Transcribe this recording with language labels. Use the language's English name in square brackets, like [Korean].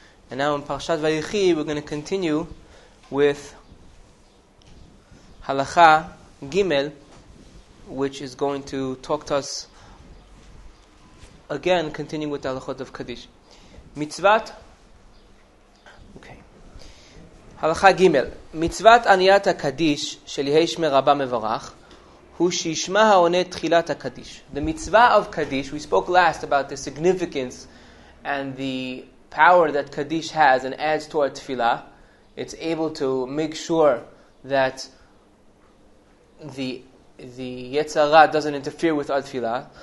[English] And now in Parshat Vayichi, we're going to continue with halacha Gimel, which is going to talk to us again, continuing with the halachot of Kaddish. [Hebrew] Mitzvat. הלכה ג' מצוות עניית הקדיש של יהיש מרבה מברך הוא שישמע העונה תחילת הקדיש. [English] The mitzvah of Kaddish, we spoke last about the significance and the power that Kaddish has and adds to our tefillah. It's able to make sure that the Yetzirah doesn't interfere with our tefillah.